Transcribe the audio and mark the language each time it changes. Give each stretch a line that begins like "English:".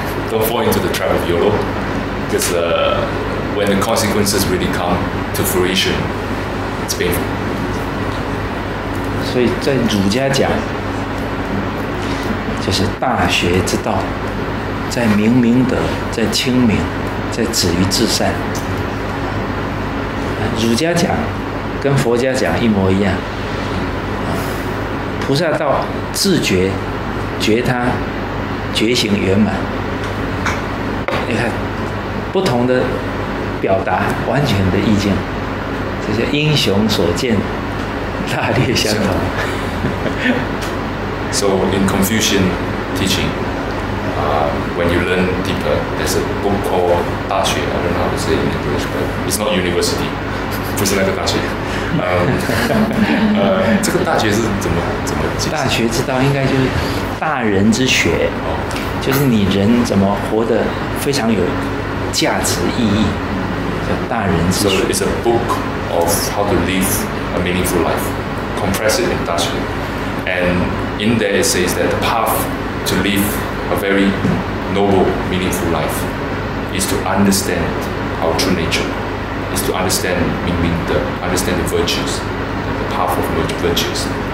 English: Don't fall into the trap of YOLO. Because when the consequences really come to fruition, it's painful.
Chinese: 所以在儒家讲，就是大学之道，在明明德，在亲民，在止于至善。儒家讲跟佛家讲一模一样。菩萨道自觉，觉他。觉醒圆满，你看不同的表达，完全的意境，这些英雄所见，大略相同。
English: So in Confucian teaching, when you learn deeper, there's a book called 大学 I don't know how to say it in English, but it's not university.
Chinese: 不是那个大学。这个大学是怎么解释？大学之道应该就是。大人之学，就是你人怎么活得非常有价值意义，叫大人之学。
English: So it's a book of how to live a meaningful life, compressed in 大学 And in there it says that the path to live a very noble, meaningful life is to understand our true nature, is to understand 明明德 understand the virtues, the path of virtues.